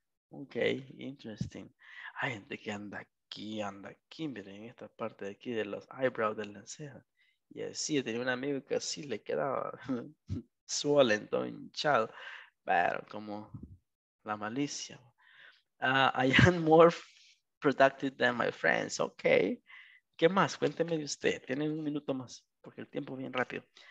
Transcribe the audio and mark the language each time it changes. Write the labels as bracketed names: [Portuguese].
[English] Ok, interesting. [Spanish] Hay gente que anda aquí, miren, esta parte de aquí de los eyebrows de la ceja. Y así, tenía un amigo que así le quedaba swollen, todo hinchado. Pero como la malicia. [English] I am more productive than my friends, ok. [Spanish] ¿Qué más? Cuénteme de usted. Tienen un minuto más, porque el tiempo viene rápido.